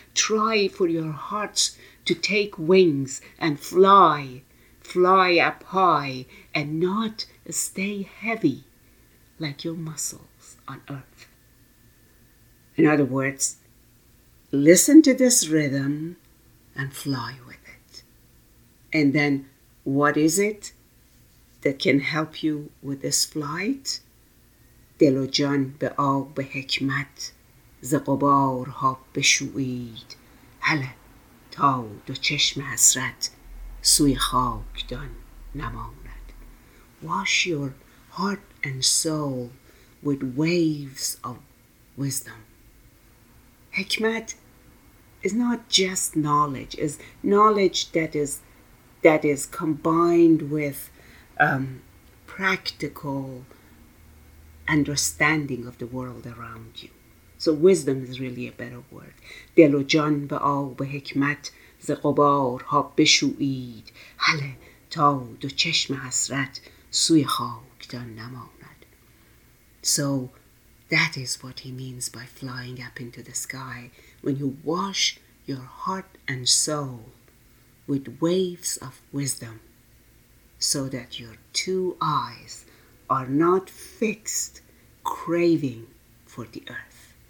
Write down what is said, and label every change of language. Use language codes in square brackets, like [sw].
[en] Try for your hearts to take wings and fly up high and not stay heavy like your muscles on earth. In other words, listen to this rhythm and fly with it. And then what is it that can help you with this flight? [fa] دل و جان به آب حکمت ز غبارها بشویید هله تا دو چشم حسرت سوی خاکدان نماند. [en] Wash your heart and soul with waves of wisdom. Hikmat is not just knowledge. It's knowledge that is combined with practical understanding of the world around you. So wisdom is really a better word. [fa] دل و جان به آب حکمت ز غبارها بشویید هله تا دو چشم حسرت سوی خاکدان نماند. [en] So that is what he means by flying up into the sky. When you wash your heart and soul with waves of wisdom, so that your two eyes are not fixed craving for the earth.